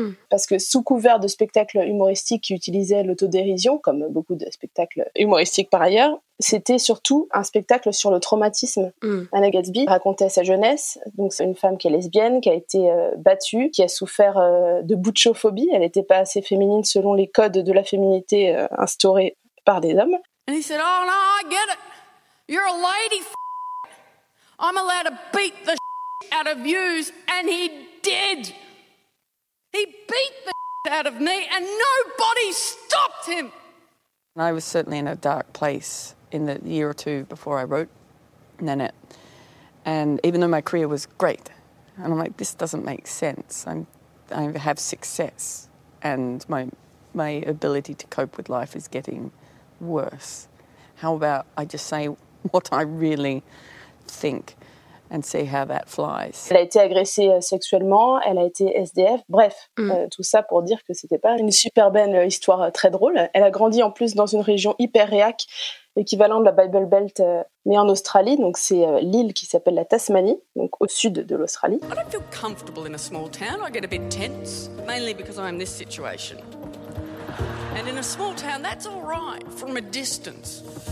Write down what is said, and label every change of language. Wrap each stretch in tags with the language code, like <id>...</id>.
<fr>Parce que sous couvert de spectacles humoristiques qui utilisaient l'autodérision, comme beaucoup de spectacles humoristiques par ailleurs, c'était surtout un spectacle sur le traumatisme. Anna Gadsby racontait sa jeunesse, donc c'est une femme qui est lesbienne, qui a été battue, qui a souffert de butchophobie. Elle n'était pas assez féminine selon les codes de la féminité instaurés par des hommes.</fr> <en>And he said, oh no, I get it. You're a lady, f***. I'm allowed to beat the s*** out of you. And he did. He beat the s*** out of me and nobody stopped him. I was certainly in a dark place in the year or two before I wrote Nanette. And even though my career was great, and I'm like, this doesn't make sense. I have success and my ability to cope with life is getting worse. How about I just say what I really think and see how that flies.</en> <fr>Elle a été agressée sexuellement, elle a été SDF, bref, tout ça pour dire que c'était pas une super belle histoire très drôle. Elle a grandi en plus dans une région hyper réac, équivalent de la Bible Belt, mais en Australie, donc c'est l'île qui s'appelle la Tasmanie, donc au sud de l'Australie.</fr> <en>I don't feel comfortable in a small town, I get a bit tense, mainly because I'm in this situation. And in a small town, that's all right, from a distance.</en>